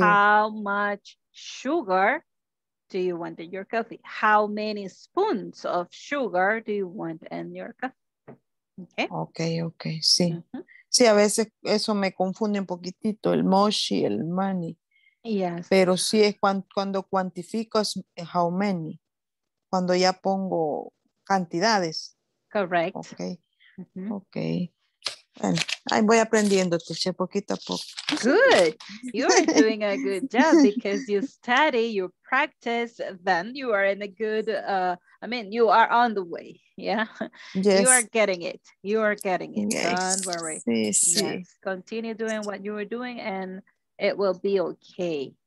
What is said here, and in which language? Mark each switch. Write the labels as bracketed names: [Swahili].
[English] How much sugar do you want in your coffee? How many spoons of sugar do you want in your coffee? Ok, ok, okay sí. Uh-huh. [Spanish] Sí, a veces eso me confunde un poquitito, el much y el money. [English] Yes. [Spanish] Pero sí es cuando cuantifico es [English] how many, [Spanish] cuando ya pongo cantidades. [English] Correct. Okay. Mm-hmm. Okay. [Spanish] Bueno, ahí voy aprendiendo, teacher, poquito a poco. [English] Good. You are doing a good job because you study, you practice, then you are in a good, you are on the way. Yeah. Yes. You are getting it. You are getting it. Yes. Don't worry. [Spanish] Sí, sí. [English] Yes. Continue doing what you are doing and it will be okay.